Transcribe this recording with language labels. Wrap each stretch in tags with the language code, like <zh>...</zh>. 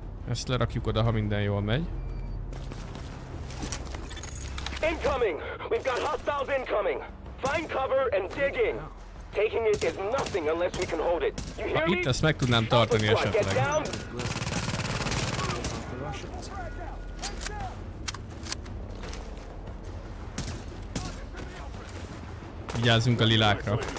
<hu>Ezt lerakjuk oda, ha minden jól megy.</hu> <en>Incoming! We've got hostiles incoming! Find cover and dig in! Taking it is nothing unless we can hold it. You hear me?</en> <hu>Itt ezt meg tudnám tartani esetleg. Vigyázzunk a lilákra.</hu>